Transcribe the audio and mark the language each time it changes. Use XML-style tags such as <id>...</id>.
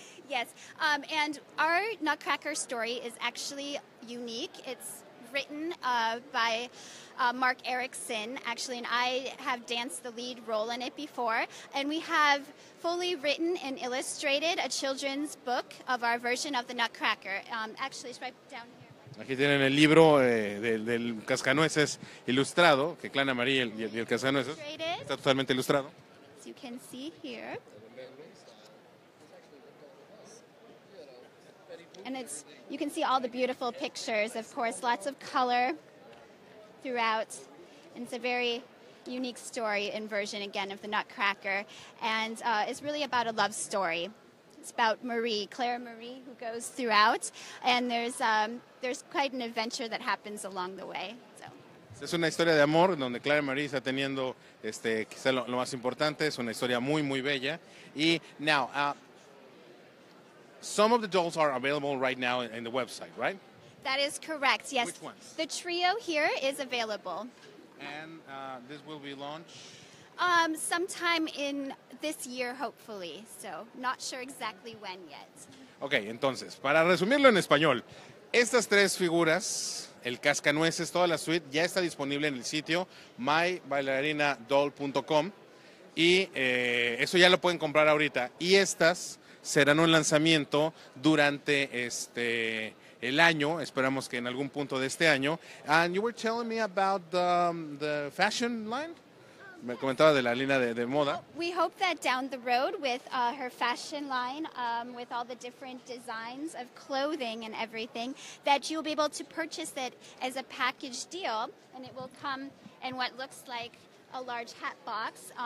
<en>Yes, and our Nutcracker story is actually unique. It's written by Mark Erickson, actually, and I have danced the lead role in it before, and we have fully written and illustrated a children's book of our version of the Nutcracker. Actually, it's right down here.</en> <es>Aquí tienen el libro del Cascanueces ilustrado, que Clara María y el Cascanueces está totalmente ilustrado.</es> <en>As you can see here. And it's, you can see all the beautiful pictures, of course, lots of color throughout. And it's a very unique story and version, again, of the Nutcracker. And it's really about a love story. It's about Marie, Clara Marie, who goes throughout. And there's quite an adventure that happens along the way.</en> <es>Es una historia de amor donde Clara Marie está teniendo quizá lo más importante. Es una historia muy, muy bella. Y</es> <en>now... some of the dolls are available right now in the website, right? That is correct, yes. Which ones? The trio here is available. And this will be launched? Sometime in this year, hopefully. So, not sure exactly when yet.</en> <es>Okay, entonces, para resumirlo en español, estas tres figuras, el cascanueces, toda la suite, ya está disponible en el sitio mybailarinadoll.com. Y eso ya lo pueden comprar ahorita. Y estas serán un lanzamiento durante el año, esperamos que en algún punto de este año.</es> <en>And you were telling me about the fashion line?</en> <es>Me comentaba de la línea de moda.</es> <en>We hope that down the road with her fashion line, with all the different designs of clothing and everything, that you'll be able to purchase it as a package deal, and it will come in what looks like a large hat box.</en>